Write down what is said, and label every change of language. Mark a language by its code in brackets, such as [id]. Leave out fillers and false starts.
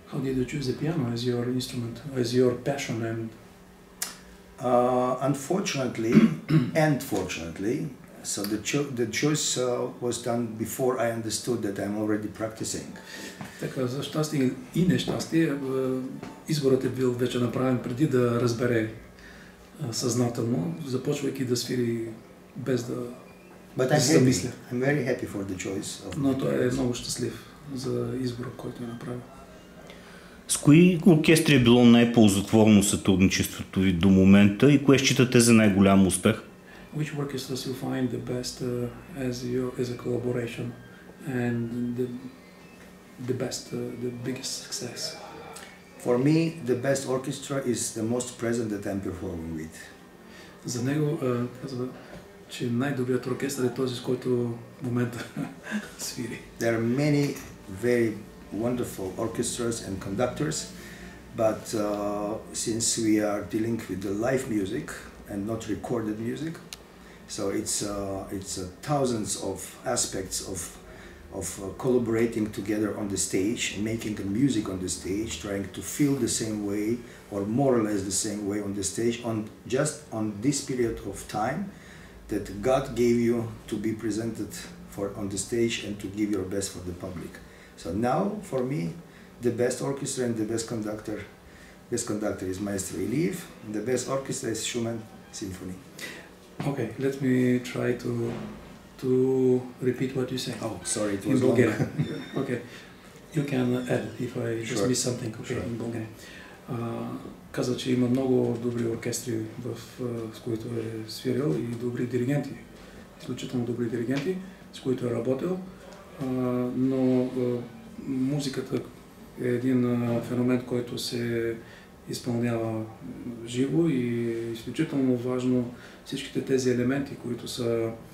[en] How did you choose the piano as your instrument, as your passion and... Unfortunately and fortunately, so the choice was done before I understood that I'm already practicing. [bg] Така, за щастие и нещастие, изборът е бил вече направен преди да разбере съзнателно, започвайки да свири без да... [en] But I'm very happy for the choice of. [bg] Но той е много щастлив за избора, който е направил. С кои оркестри е било най-ползотворно сътрудничеството ви до момента и кое считате за най-голям успех? [en] Which orchestras you find the best as a collaboration and the best the biggest success? For me, the best orchestra is the most present that I'm performing with. [bg] За него казва, че най-добрият оркестър е този, с който в момента свири. [en] There are many very wonderful orchestras and conductors, but since we are dealing with the live music and not recorded music, so it's thousands of aspects of collaborating together on the stage, making the music on the stage, trying to feel the same way or more or less the same way on the stage on this period of time that God gave you to be presented for on the stage and to give your best for the public. So now, for me, the best orchestra and the best conductor is Maestro Iliev, and the best orchestra is Schumann Symphony. Okay, let me try to repeat what you say. Oh, sorry, it was in Bulgarian. Okay, you can add if I just miss something. Okay, sure. In Bulgarian. [bg] Каза, че има много добри оркестри, с които е свирил, и добри диригенти, изключително добри диригенти, с които е работил, но музиката е един феномен, който се изпълнява живо и изключително важно всичките тези елементи, които са